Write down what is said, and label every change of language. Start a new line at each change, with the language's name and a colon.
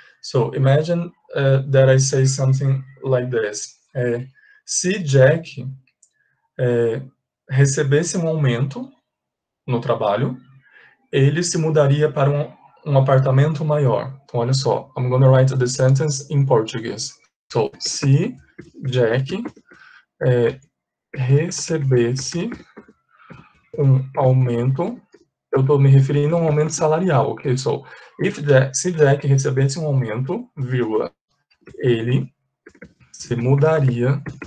English: So imagine that I say something like this.
Portuguese: Se Jack recebesse um aumento no trabalho, ele se mudaria para um apartamento maior. Então, olha só,
English: I'm going to write the sentence in Portuguese.
Portuguese: So, se Jack recebesse um aumento, eu estou me referindo a um aumento salarial, ok? So, se Jack recebesse um aumento, vírgula, ele se mudaria.